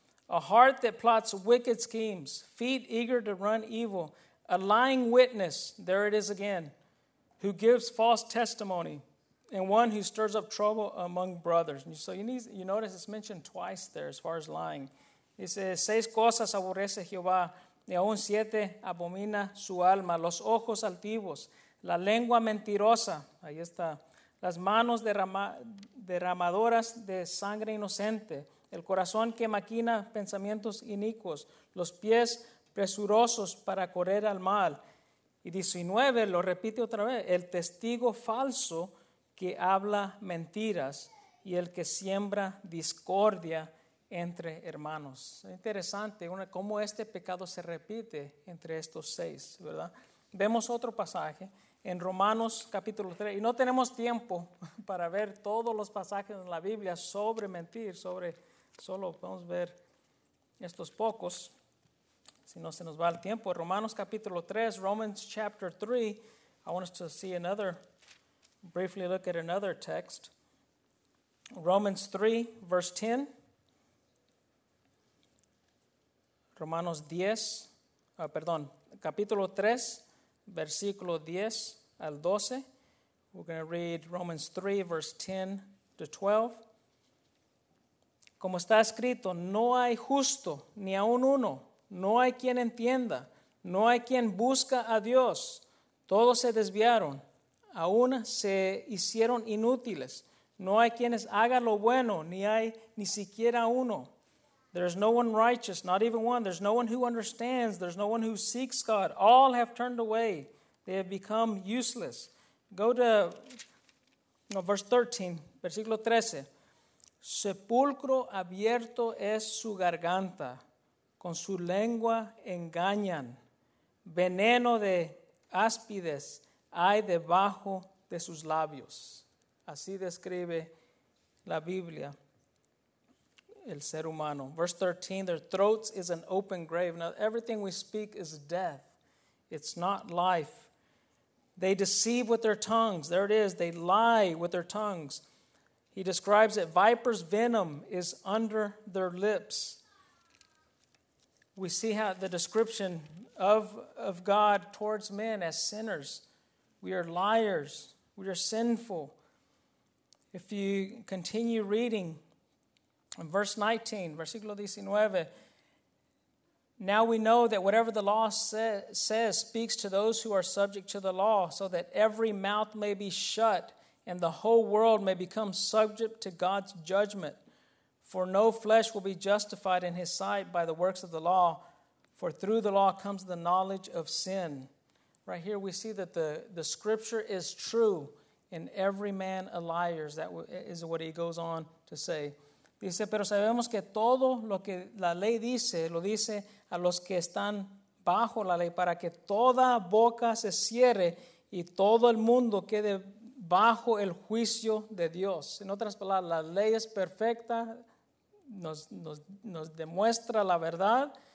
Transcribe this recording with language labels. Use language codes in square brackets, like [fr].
[en] A heart that plots wicked schemes. Feet eager to run evil. A lying witness, there it is again. Who gives false testimony. And one who stirs up trouble among brothers. So you notice it's mentioned twice there as far as lying. [es] Dice, seis cosas aborrece Jehová, y aún siete abomina su alma: los ojos altivos, la lengua mentirosa, ahí está, las manos derramadoras de sangre inocente, el corazón que maquina pensamientos inicuos, los pies presurosos para correr al mal. Y 19 lo repite otra vez: el testigo falso que habla mentiras, y el que siembra discordia entre hermanos. Interesante cómo este pecado se repite entre estos seis, ¿verdad? Vemos otro pasaje en Romanos capítulo 3. Y no tenemos tiempo para ver todos los pasajes en la Biblia sobre mentir, sobre, solo podemos ver estos pocos, si no se nos va el tiempo. Romanos capítulo 3, [en] Romans chapter 3. I want us to see another, briefly look at another text. Romans 3, verse 10. [es] Romanos 10, perdón, capítulo 3, versículo 10 al 12. [en] We're going to read Romans 3, verse 10 to 12. [es] Como está escrito, no hay justo, ni aun uno. No hay quien entienda, no hay quien busca a Dios. Todos se desviaron, aún se hicieron inútiles. No hay quienes haga lo bueno, ni hay ni siquiera uno. [en] There is no one righteous, not even one. There's no one who understands. There's no one who seeks God. All have turned away. They have become useless. Go to verse 13, [es] versículo 13. Sepulcro abierto es su garganta. Con su lengua engañan. Veneno de áspides hay debajo de sus labios. Así describe la Biblia el ser humano. [en] Verse 13, their throats is an open grave. Now everything we speak is death. It's not life. They deceive with their tongues. There it is. They lie with their tongues. He describes it. Viper's venom is under their lips. We see how the description of God towards men as sinners. We are liars. We are sinful. If you continue reading in verse 19, [es] versículo 19, [en] now we know that whatever the law says speaks to those who are subject to the law, so that every mouth may be shut and the whole world may become subject to God's judgment. For no flesh will be justified in his sight by the works of the law, for through the law comes the knowledge of sin. Right here we see that the scripture is true, and every man a liar, that is what he goes on to say. [es] Dice, pero sabemos que todo lo que la ley dice, lo dice a los que están bajo la ley, para que toda boca se cierre y todo el mundo quede bajo el juicio de Dios. En otras palabras, la ley es perfecta, nos demuestra la verdad.